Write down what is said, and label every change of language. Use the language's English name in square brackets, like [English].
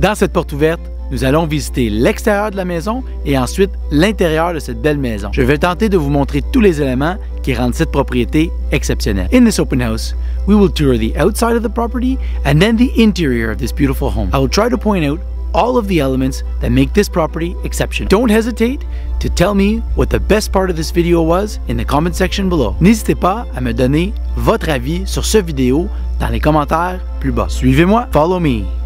[French] Dans cette porte ouverte, nous allons visiter l'extérieur de la maison et ensuite l'intérieur de cette belle maison. Je vais tenter de vous montrer tous les éléments qui rendent cette propriété exceptionnelle. [English] In this open house, we will tour the outside of the property and then the interior of this beautiful home. I will try to point out all of the elements that make this property exceptional. Don't hesitate to tell me what the best part of this video was in the comment section below. [French] N'hésitez pas à me donner votre avis sur ce vidéo dans les commentaires plus bas. Suivez-moi. [English] Follow me.